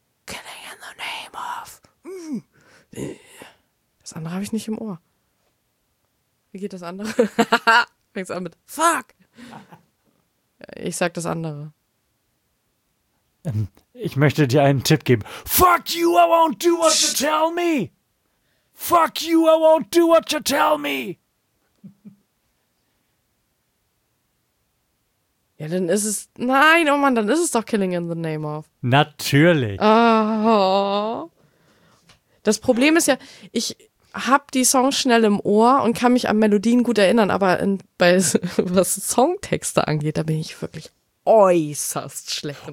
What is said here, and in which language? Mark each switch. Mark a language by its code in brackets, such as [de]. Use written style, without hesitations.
[en] Killing in the Name of. [de] Das andere habe ich nicht im Ohr. Wie geht das andere? Fängt's an mit Fuck. Ich sag das andere. Ich möchte dir einen Tipp geben. [en] Fuck you, I won't do what you tell me. Fuck you, I won't do what you tell me. [de] Ja, dann ist es... Nein, oh Mann, dann ist es doch Killing in the Name of. Natürlich. Oh. Das Problem ist ja, ich hab die Songs schnell im Ohr und kann mich an Melodien gut erinnern, aber was Songtexte angeht, da bin ich wirklich äußerst schlecht.